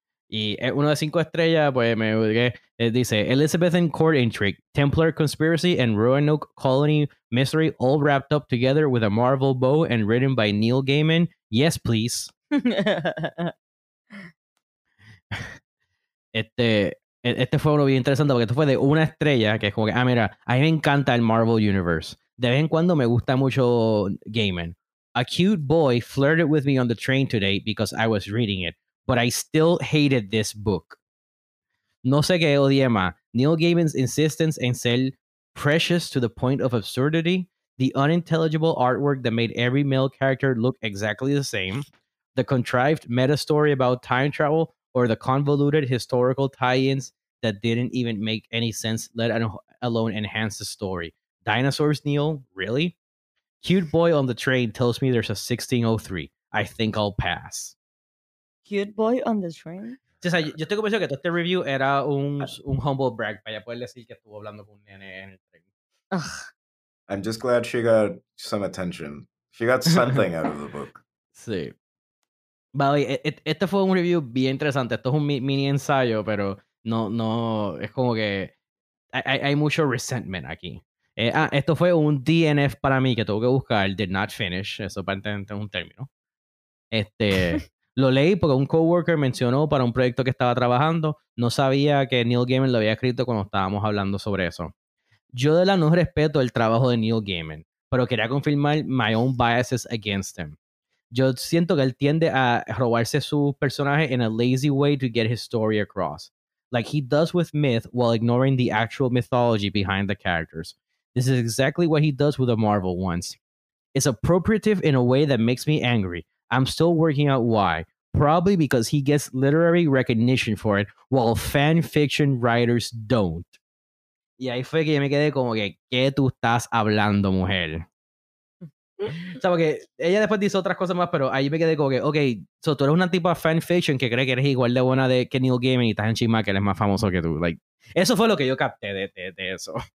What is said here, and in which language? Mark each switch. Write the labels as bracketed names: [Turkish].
[Spanish] Y uno de 5 estrellas, pues me que dice [English] Elizabethan court intrigue, Templar conspiracy and Roanoke colony mystery all wrapped up together with a Marvel bow and written by Neil Gaiman. Yes, please. [Spanish] Este fue uno bien interesante porque esto fue de una estrella que es como que, mira, a mí me encanta el Marvel Universe. De vez en cuando me gusta mucho Gaiman. [English] A cute boy flirted with me on the train today because I was reading it. But I still hated this book. [Spanish] No sé qué odié más. [English] Neil Gaiman's insistence [Spanish] en ser [English] precious to the point of absurdity. The unintelligible artwork that made every male character look exactly the same. The contrived meta story about time travel. Or the convoluted historical tie-ins that didn't even make any sense, let alone enhance the story. Dinosaurs, Neil? Really? Cute boy on the train tells me there's a 1603. I think I'll pass. Cute boy on the train. [Spanish] Sí, o sea, yo estoy convencido que todo este review era un humble brag para ya poder decir que estuvo hablando con un nene en el tren. Ugh. [English] I'm just glad she got some attention. She got something out of the book. [Spanish] Sí. Vale, este fue un review bien interesante. Esto es un mini ensayo, pero no es como que hay mucho resentment aquí. Esto fue un DNF para mí que tuve que buscar. [English] Did not finish. [Spanish] Eso aparentemente es un término. Lo leí porque un coworker mencionó para un proyecto que estaba trabajando. No sabía que Neil Gaiman lo había escrito cuando estábamos hablando sobre eso. Yo de la no respeto el trabajo de Neil Gaiman, pero quería confirmar [English] my own biases against him. [Spanish] yo siento que él tiende a robarse su personaje [English] in a lazy way to get his story across. Like, he does with myth while ignoring the actual mythology behind the characters. This is exactly what he does with the Marvel ones. It's appropriative in a way that makes me angry. I'm still working out why. Probably because he gets literary recognition for it, while fan fiction writers don't. [Spanish] Y ahí fue que yo me quedé como que, ¿qué tú estás hablando, mujer? O sea, porque ella después dice otras cosas más, pero ahí me quedé como que, okay, so tú eres una tipa fan fiction que cree que eres igual de buena que Neil Gaiman y estás en Chima, que eres más famoso que tú. Like, eso fue lo que yo capté de eso.